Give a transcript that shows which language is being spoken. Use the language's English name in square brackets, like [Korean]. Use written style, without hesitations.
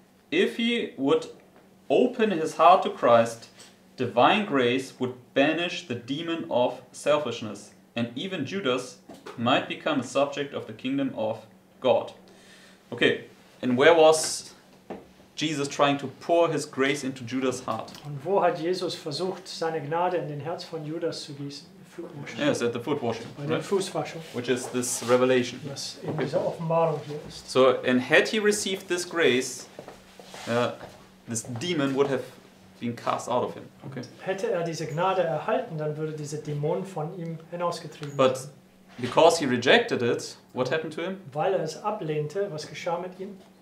[English] If he would open his heart to Christ, divine grace would banish the demon of selfishness, and even Judas might become a subject of the kingdom of God. Okay, and where was Jesus trying to pour his grace into Judas' heart? [German] Und wo hat Jesus versucht, seine Gnade in den Herz von Judas zu gießen? [English] Yes, at the foot washing, right? Which is this revelation. [German] Was in dieser Offenbarung hier ist. [English] So, and had he received this grace, this demon would have been cast out of him. Okay. [German] Hätte er diese Gnade erhalten, dann würde dieser Dämon von ihm hinausgetrieben. [English] But because he rejected it, what happened to him? [German] Weil er es ablehnte, was geschah mit ihm?